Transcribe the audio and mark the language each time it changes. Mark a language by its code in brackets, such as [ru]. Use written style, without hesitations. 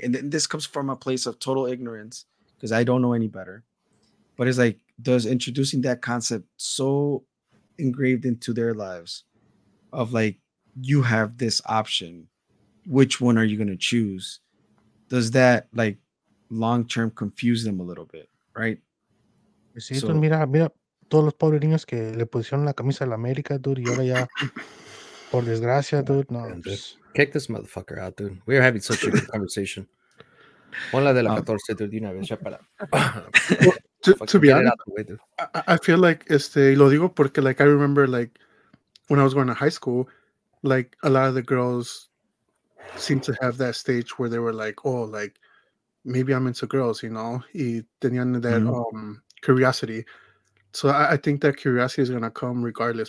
[en] And then this comes from a place of total ignorance because I don't know any better. But it's like, does introducing that concept so engraved into their lives of like, you have this option, which one are you going to choose? Does that like long-term confuse them a little bit, right? [es] So, mira todos los pobres niños que le pusieron la camisa de la América, dude, y ahora ya, por desgracia, dude, no. [en] Kick this motherfucker out, dude. We are having such a good conversation. [es] Pon la de la 14, dude, una vez ya para. [en] To be honest, I feel like, [es] lo digo porque, [en] like, I remember, like, when I was going to high school, like, a lot of the girls seemed to have that stage where they were like, oh, like, maybe I'm into girls, you know? [es] Y tenían [en] that curiosity. So I think that curiosity is going to come regardless.